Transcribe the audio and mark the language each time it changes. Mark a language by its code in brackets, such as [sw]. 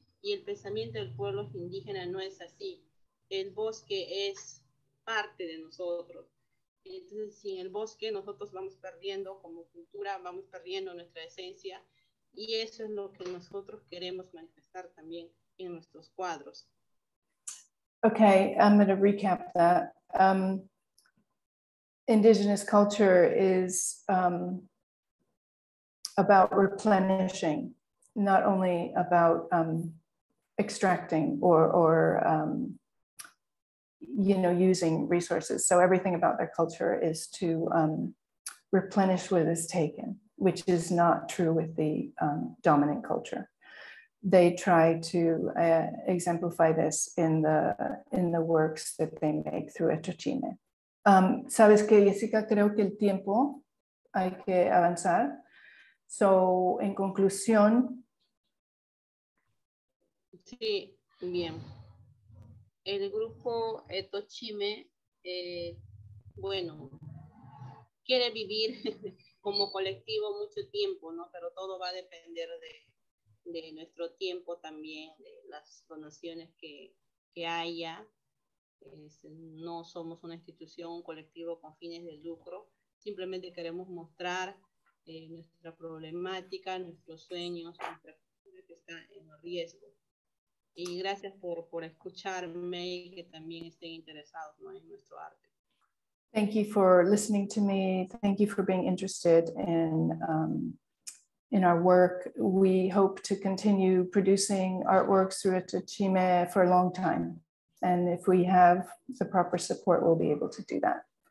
[es] Y el pensamiento del pueblo indígena no es así. El bosque es parte de nosotros. Entonces, sin el bosque, nosotros vamos perdiendo como cultura, vamos perdiendo nuestra esencia, y eso es lo que nosotros queremos manifestar también en nuestros cuadros. [en] Okay, I'm going to recap that. Indigenous culture is about replenishing, not only about extracting or you know, using resources. So everything about their culture is to replenish what is taken, which is not true with the dominant culture. They try to exemplify this in the works that they make through Etochime. [es] Sabes que, Jessica, creo que el tiempo hay que avanzar. So, en conclusión. Sí, bien. El grupo Etochime, quiere vivir como colectivo mucho tiempo, ¿no? Pero todo va a depender de nuestro tiempo también, de las donaciones que haya. No somos una institución, un colectivo con fines de lucro. Simplemente queremos mostrar nuestra problemática, nuestros sueños, nuestra cultura que está en riesgo. Y gracias por escucharme y que también estén interesados, ¿no?, en nuestro arte. [en] Thank you for listening to me. Thank you for being interested in our work. We hope to continue producing artworks through Etochime for a long time. And if we have the proper support, we'll be able to do that.